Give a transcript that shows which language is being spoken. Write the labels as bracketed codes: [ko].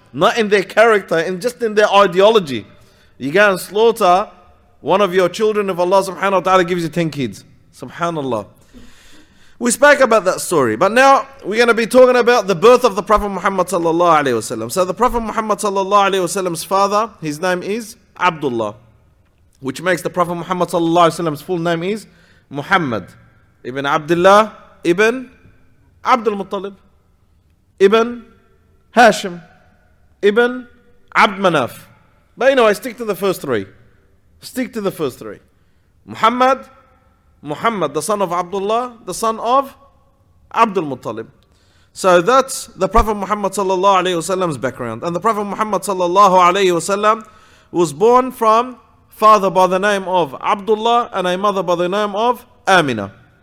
[en] Not in their character, and just in their ideology. You go and slaughter one of your children if Allah subhanahu wa ta'ala gives you 10 kids. Subhanallah. We spoke about that story, but now we're going to be talking about the birth of the Prophet Muhammad sallallahu alayhi wa sallam. So the Prophet Muhammad sallallahu alayhi wa sallam's father, his name is Abdullah, which makes the Prophet Muhammad sallallahu alayhi wa sallam's full name is [ar] محمد ابن عبد الله ابن عبد المطلب ابن هاشم ابن عبد مناف. [en] But anyway, stick to the first three. Stick to the first three. Muhammad, Muhammad, the son of Abdullah, the son of Abdul Muttalib. So that's the Prophet Muhammad sallallahu alayhi wa sallam's background. And the Prophet Muhammad sallallahu alayhi wa sallam was born from father by the name of Abdullah and a mother by the name of Amina.